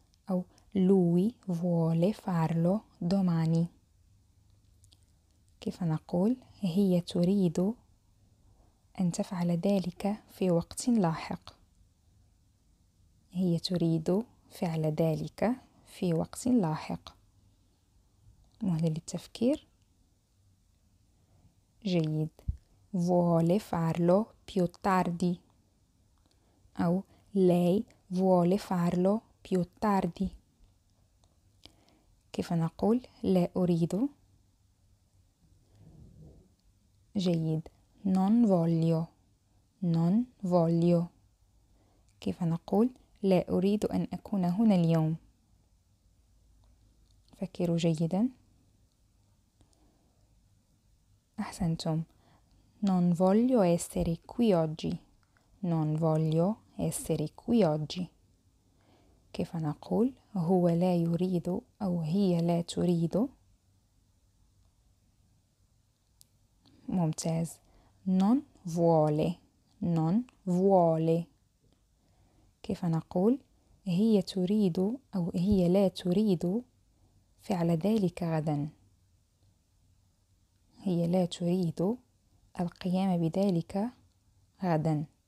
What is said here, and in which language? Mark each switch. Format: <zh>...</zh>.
<it>أو lui vuole farlo domani.</it> <ar>كيف نقول هي تريد أن تفعل ذلك في وقت لاحق؟ هي تريد فعل ذلك في وقت لاحق. مهلة للتفكير.</ar> <it>جيد. vuole farlo più tardi. أو lei vuole farlo più tardi.</it> <ar>كيف نقول لا أريد؟ جيد.</ar> <it>non voglio. non voglio.</it> <ar>كيف نقول لا أريد أن أكون هنا اليوم؟ فكروا جيدا. أحسنتم.</ar> <it>non voglio essere qui oggi. non voglio essere qui oggi.</it> <ar>كيف نقول هو لا يريد أو هي لا تريد؟ ممتاز.</ar> <it>non vuole. non vuole.</it> <ar>كيف نقول هي تريد أو هي لا تريد فعل ذلك غدا؟ هي لا تريد القيام بذلك غدا.</ar>